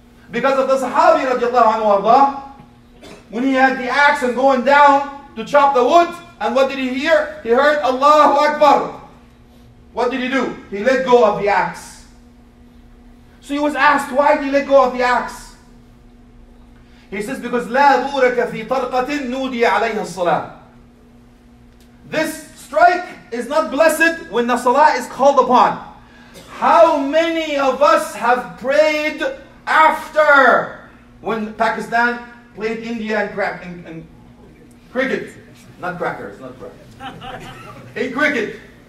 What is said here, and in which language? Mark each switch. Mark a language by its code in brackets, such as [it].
[en] Because of the Sahabi radiallahu anhu Allah, when he had the axe and going down to chop the wood, and what did he hear? He heard Allahu Akbar. What did he do? He let go of the axe. So he was asked, why did he let go of the axe? He says, because [ar] لا بورك في طرقة نودي عليها الصلاة. [en] This strike is not blessed when the salah is called upon. How many of us have prayed after when Pakistan played India and cricket, not crackers, not crackers. In cricket.